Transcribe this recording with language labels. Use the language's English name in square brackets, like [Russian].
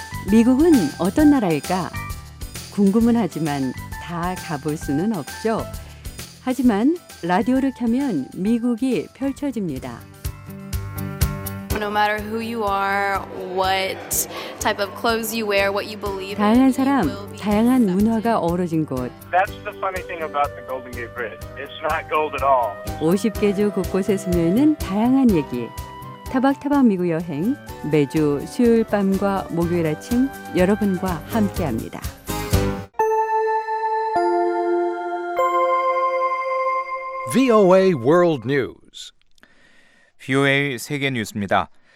[Korean] "미국은 어떤 나라일까? 궁금은 하지만 다 가볼 수는 없죠. 하지만 라디오를 켜면 미국이 펼쳐집니다. [English] No matter who you are, what type of clothes you wear, what you believe in, [Korean] 다양한 사람, 다양한 문화가 어우러진 곳. [English] That's the funny thing about the Golden Gate Bridge. It's not gold at all. [Korean] 50개 주 곳곳에 숨어있는 다양한 얘기. 타박타박 미국 여행 매주 수요일 밤과 목요일 아침 여러분과 함께합니다. 'VOA World News' VOA 세계 뉴스입니다.